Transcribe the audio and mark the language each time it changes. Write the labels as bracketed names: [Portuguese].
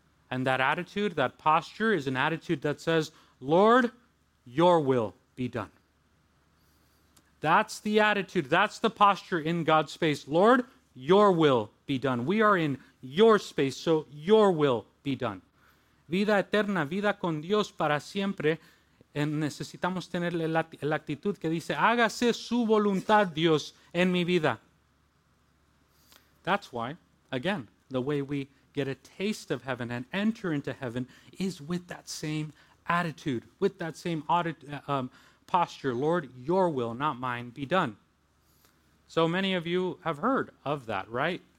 [English] And that attitude, that posture, is an attitude that says, Lord, your will be done. That's the attitude, that's the posture in God's space. Lord, your will be done. We are in your space, so your will be done. [Spanish] Vida eterna, vida con Dios para siempre. Necesitamos tener la actitud que dice, hágase su voluntad, Dios, en mi vida. [English] That's why, again, the way we get a taste of heaven and enter into heaven is with that same attitude, with that same posture. Lord, your will, not mine, be done. So many of you have heard of that, right?